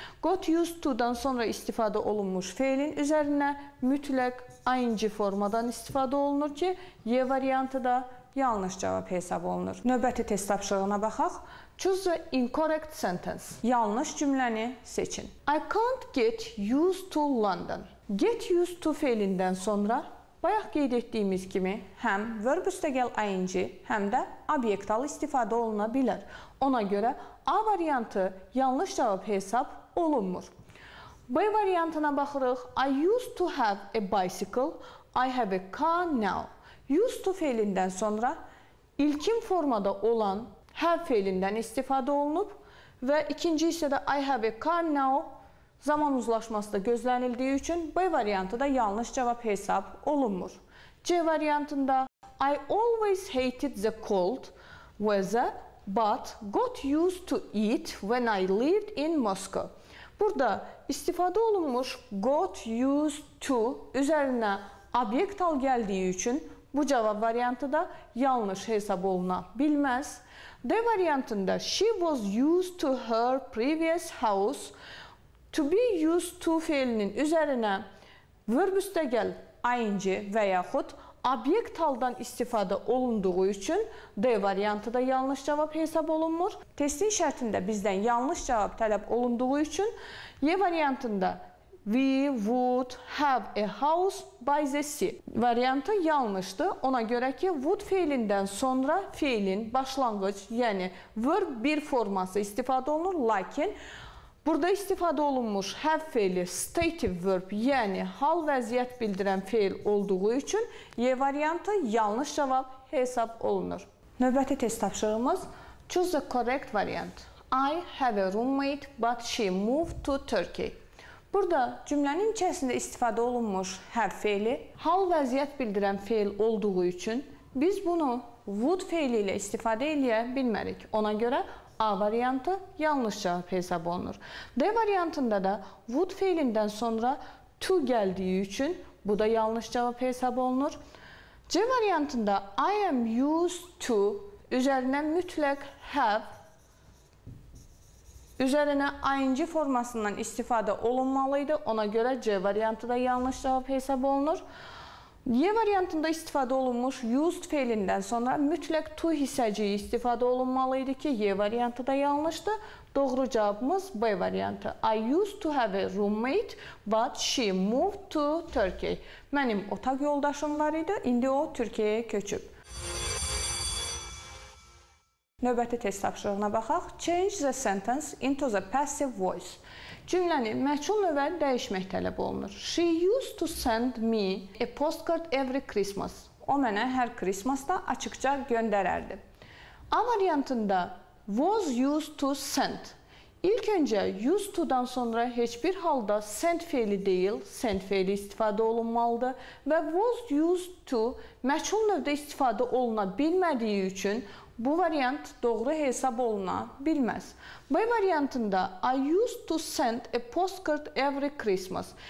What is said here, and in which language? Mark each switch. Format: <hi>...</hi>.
<az>Got used to-dan sonra istifadə olunmuş fiilin üzərinə mütləq ing formadan istifadə olunur ki, Y variantı da yanlış cavab hesab olunur. Növbəti test tapşırığına baxaq.</az> <en>Choose the incorrect sentence.</en> <az>Yanlış cümləni seçin.</az> <en>I can't get used to London.</en> <az>Get used to fiilindən sonra bayaq qeyd etdiyimiz kimi həm verb üstəgəl ing, həm də obyektal istifadə oluna bilər. Ona görə A variantı yanlış cavab hesab olunmur. B variantına baxırıq.</az> <en>I used to have a bicycle. I have a car now.</en> <az>Used to fiilindən sonra ilkin formada olan have fiilindən istifadə olunub və ikinci hissədə</az> <en>I have a car now</en> <az>zaman uzlaşması da gözlənildiyi üçün B variantı da yanlış cavab hesab olunmur. C variantında</az> <en>I always hated the cold weather but got used to it when I lived in Moscow.</en> <az>Burada istifadə olunmuş got used to üzərinə obyekt hal gəldiyi üçün bu cavab variantı da yanlış hesab oluna bilməz. D variantında</az> <en>she was used to her previous house.</en> <az>To be used to fiilinin üzərinə verb üstəgəl ing və yaxud obyekt haldan istifadə olunduğu üçün D variantı da yanlış cavab hesab olunmur. Testin şərtində bizdən yanlış cavab tələb olunduğu üçün Y variantında</az> <en>we would have a house by the sea</en> <az>variantı yanlışdır. Ona görə ki, would fiilindən sonra fiilin başlanğıc, yəni verb bir forması istifadə olunur, lakin burada istifadə olunmuş have fiili stative verb, yəni hal vəziyyət bildirən fiil olduğu üçün Y variantı yanlış cavab hesab olunur. Növbəti test tapşırığımız</az> <en>choose the correct variant. I have a roommate but she moved to Turkey.</en> <az>Burada cümlənin içərisində istifadə olunmuş have fiili hal vəziyyət bildirən fiil olduğu üçün biz bunu would fiili ilə istifadə eləyə bilmərik. Ona görə A variantı yanlış cavab hesab olunur. D variantında da would fiilindən sonra to gəldiyi üçün bu da yanlış cavab hesab olunur. C variantında</az> <en>I am used to</en> <az>üzərinə mütləq</az> <en>have</en> <az>Üzərinə ING formasından istifadə olunmalıydı. Ona görə C variantı da yanlış cavab hesab olunur. Y variantında istifadə olunmuş used fiilindən sonra mütləq to hissəciyi istifadə olunmalıydı ki, Y variantı da yanlışdı. Doğru cavabımız B variantı.</az> <en>I used to have a roommate, but she moved to Turkey.</en> <az>Mənim otaq yoldaşım var idi, indi o Türkiyəyə köçüb. Növbəti test tapşırığına baxaq.</az> <en>Change the sentence into the passive voice.</en> <az>Cümləni məçhul növə dəyişmək tələb olunur.</az> <en>She used to send me a postcard every Christmas.</en> <az>O mənə hər Christmasda açıqca göndərərdi. A variantında</az> <en>was used to send.</en> <az>İlk öncə used to-dan sonra heç bir halda send feili deyil, send feili istifadə olunmalıdır və was used to məçhul növdə istifadə oluna bilmədiyi üçün bu variant doğru hesab oluna bilməz. B variantında</az> <en>I used to send a postcard every Christmas.</en>